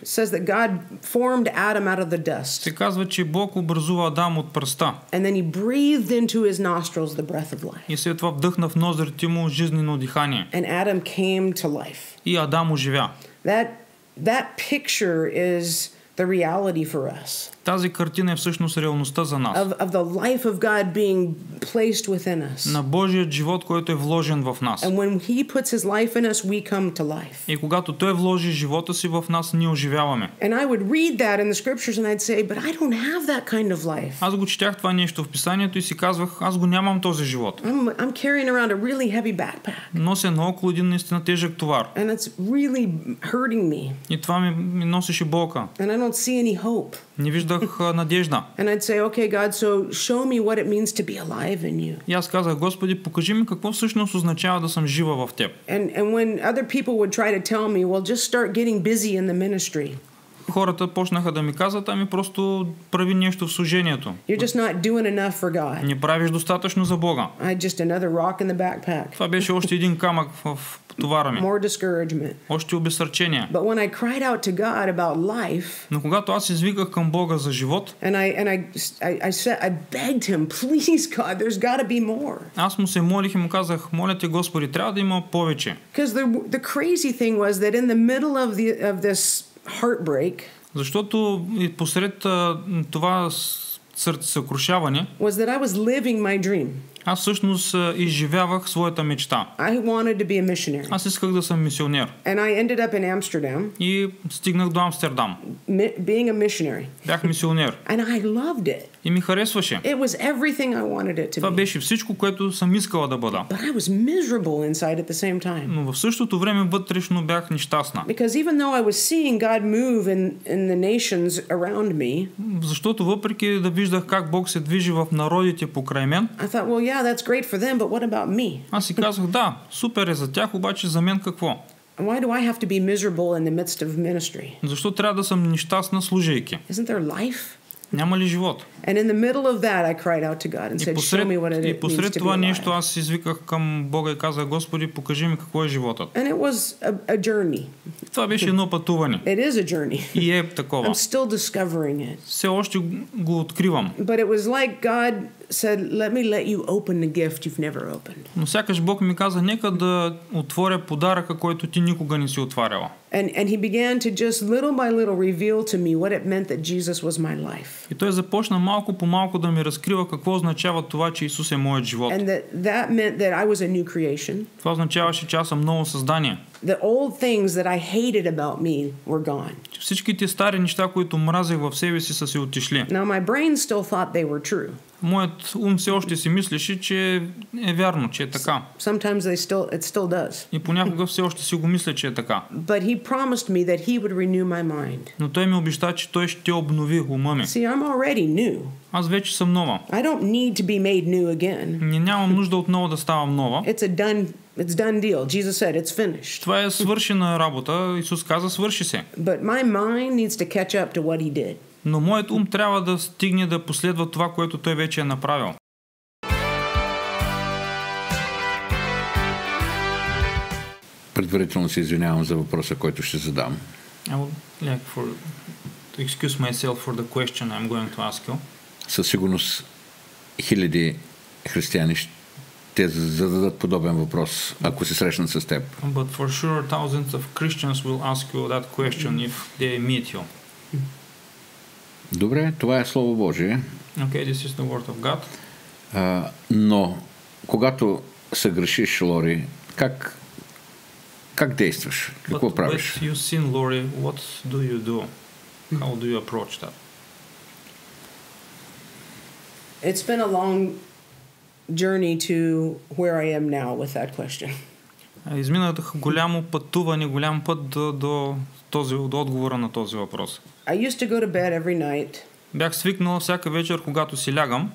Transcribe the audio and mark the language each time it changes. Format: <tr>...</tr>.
<en>says that God formed Adam out of the dust.</en> <bg>Се казва, че Бог образува Адам от пръста.</bg> <en>And then he breathed into his nostrils the breath of life.</en> <bg>И след това вдъхна в ноздрите му жизнено дихание.</bg> <en>And Adam came to life.</en> <bg>И Адам оживя.</bg> <en>That picture is the reality for us.</en> <bg>Тази картина е всъщност реалността за нас.</bg> <en>Of the life of God being placed within us.</en> <bg>На Божият живот, който е вложен в нас.</bg> <en>And when he puts his life in us, we come to life.</en> <bg>И когато той вложи живота си в нас, ние оживяваме.</bg> <en>And I would read that in the scriptures and I'd say, but I don't have that kind of life.</en> <bg>Аз го четях това нещо в писанието и си казвах, аз го нямам този живот.</bg> <en>I'm carrying around a really heavy backpack.</en> <bg>Нося наоколо един наистина тежък товар.</bg> <en>And it's really hurting me.</en> <bg>И това ми носеше болка.</bg> <en>And I don't see any hope.</en> <bg>Не виждам виждах надежда.</bg> <en>And I'd say, okay, God, so show me what it means to be alive in you.</en> <bg>И аз казах, Господи, покажи ми какво всъщност означава да съм жива в теб.</bg> <en>And when other people would try to tell me, well, just start getting busy in the ministry.</en> <bg>Хората почнаха да ми казват, ами просто прави нещо в служението.</bg> <en>You're just not doing enough for God.</en> <bg>Не правиш достатъчно за Бога.</bg> <en>I just another rock in the backpack.</en> <bg>Това беше още един камък в товара ми.</bg> <en>More discouragement.</en> <bg>Още обезсърчение.</bg> <en>But when I cried out to God about life,</en> <bg>но когато аз извиках към Бога за живот,</bg> <en>I begged him, please God, there's got to be more.</en> <bg>Аз му се молих и му казах, моля те, Господи, трябва да има повече.</bg> <en>Because the crazy thing was that in the middle of the of this heartbreak.</en> <bg>Защото и посред това съкрушаване,</bg> <en>was that I was living my dream.</en> <bg>Аз всъщност изживявах своята мечта.</bg> <en>I wanted to be a missionary.</en> <bg>Аз исках да съм мисионер.</bg> <en>And I ended up in Amsterdam.</en> <bg>И стигнах до Амстердам.</bg> <en>Being a missionary.</en> <bg>Бях мисионер.</bg> <en>And I loved it.</en> <bg>И ми харесваше.</bg> <en>It was everything I wanted it to be.</en> <bg>Това беше всичко, което съм искала да бъда.</bg> <en>But I was miserable inside at the same time.</en> <bg>Но в същото време вътрешно бях нещастна.</bg> <en>Because even though I was seeing God move in the nations around me.</en> <bg>Защото въпреки да виждах как Бог се движи в народите покрай мен,</bg> <en>I thought, well, yeah, that's great for them, but what about me?</en> <bg>Аз си казах, да, супер е за тях, обаче за мен какво?</bg> <en>Why do I have to be miserable in the midst of ministry?</en> <bg>Защо трябва да съм нещастна служейки?</bg> <en>Isn't there life?</en> <bg>Няма ли живот?</bg> <en>And in the middle of that I cried out to God and said, show me what it means to be.</en> <bg>И посред това нещо аз извиках към Бога и казах, Господи, покажи ми какво е животът.</bg> <en>And it was a journey.</en> <bg>Това беше едно пътуване.</bg> <en>It is a journey.</en> <bg>И е такова.</bg> <en>I'm still discovering it.</en> <bg>Все още го откривам.</bg> <en>But it was like God said, let me let you open a gift you've never opened.</en> <bg>Но сякаш Бог ми каза, нека да отворя подаръка, който ти никога не си отваряла.</bg> <en>And he began to just little by little reveal to me what it meant that Jesus was my life.</en> <bg>И той започна малко по малко да ми разкрива какво означава това, че Исус е моят живот.</bg> <en>And that meant that I was a new creation.</en> <bg>Това означаваше, че аз съм ново създание.</bg> <en>The old things that I hated about me were gone.</en> <bg>Всичките стари неща, които мразех в себе си, са се отишли.</bg> <en>Now my brain still thought they were true.</en> <bg>Моят ум все още си мислеше, че е вярно, че е така.</bg> <en>Sometimes they still, it still does.</en> <bg>И понякога все още си го мисля, че е така.</bg> <en>But he promised me that he would renew my mind.</en> <bg>Но той ми обеща, че той ще обнови ума ми.</bg> <en>See, I'm already new.</en> <bg>Аз вече съм нова.</bg> <en>I don't need to be made new again.</en> <bg>Нямам нужда отново да ставам нова.</bg> <en>It's done deal. Jesus said it's finished.</en> <bg>Това е свършена работа. Исус каза, свърши се.</bg> <en>But my mind needs to catch up to what he did.</en> <bg>Но моят ум трябва да стигне да последва това, което той вече е направил. Предварително се извинявам за въпроса, който ще задам.</bg> <en>I would like for to excuse myself for the question I'm going to ask you.</en> <bg>Със сигурност хиляди християни ще зададат подобен въпрос, ако се срещнат с теб.</bg> <en>But for sure thousands of Christians will ask you that question if they meet you.</en> <bg>Добре, това е Слово Божие.</bg> <en>Okay, this is the word of God.</en> <bg>Но, когато съгрешиш, Лори, как действаш? Какво</bg> <en>But</en> <bg>правиш?</bg> <en>But when you sin, Lori, what do you do? How do you approach that? It's been a long journey to where I am now with that question.</en> <bg>Изминах голямо пътуване, голям път до отговора на този въпрос.</bg> <en>I used to go to bed every night.</en> <bg>Бях свикнал всяка вечер, когато си лягам.</bg>